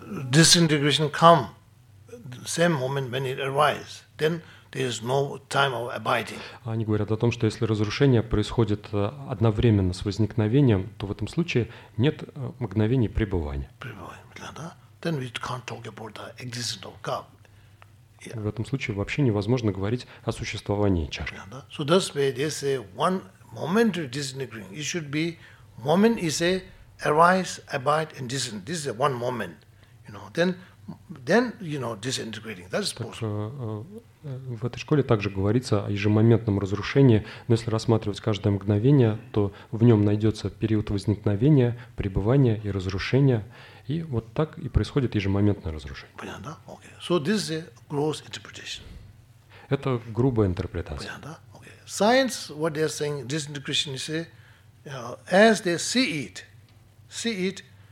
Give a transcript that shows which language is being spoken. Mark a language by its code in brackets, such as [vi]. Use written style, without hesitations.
[en] disintegration come same moment when it arises, then there is no time of abiding. [ru] Они говорят о том, что если разрушение происходит одновременно с возникновением, то в этом случае нет мгновений пребывания. Пребывания, да? [en] Then we can't talk about the existence of cup. Yeah. [ru] В этом случае вообще невозможно говорить о существовании чашки. Да? [en] So that's why they say one moment of disintegration. It should be moment is a arise, abide, and disintegrate. This is one moment, you know. Then, you know, disintegrating. That is possible. [ru] В этой школе также говорится о ежемоментном разрушении, но если рассматривать каждое мгновение, то в нем найдется период возникновения, пребывания и разрушения, и вот так и происходит ежемоментное разрушение. Понятно, да? [en] Okay. So this is a gross interpretation. [ru] Это грубая интерпретация. Понятно, да? Okay. [en] Science, what they are saying, disintegration is, as they see it.